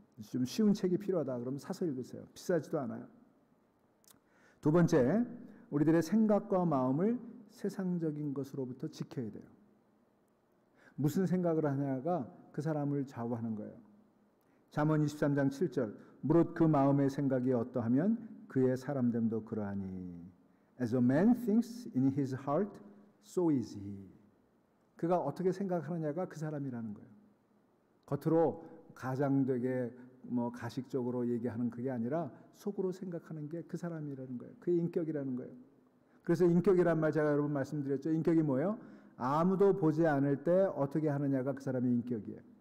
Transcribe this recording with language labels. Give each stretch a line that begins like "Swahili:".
Korean: 좀 쉬운 책이 필요하다. 그러면 사서 읽으세요. 비싸지도 않아요. 두 번째, 우리들의 생각과 마음을 세상적인 것으로부터 지켜야 돼요. 무슨 생각을 하냐가 그 사람을 좌우하는 거예요. 잠언 23장 7절, 무릇 그 마음의 생각이 어떠하면 그의 사람됨도 그러하니.
English: As a man thinks in his heart, so is he.
Korean: 그가 어떻게 생각하느냐가 그 사람이라는 거예요. 겉으로 가장되게 뭐 가식적으로 얘기하는 그게 아니라 속으로 생각하는 게 그 사람이라는 거예요. 그의 인격이라는 거예요. 그래서 인격이란 말 제가 여러분 말씀드렸죠. 인격이 뭐예요? 아무도 보지 않을 때 어떻게 하느냐가 그 사람의 인격이에요.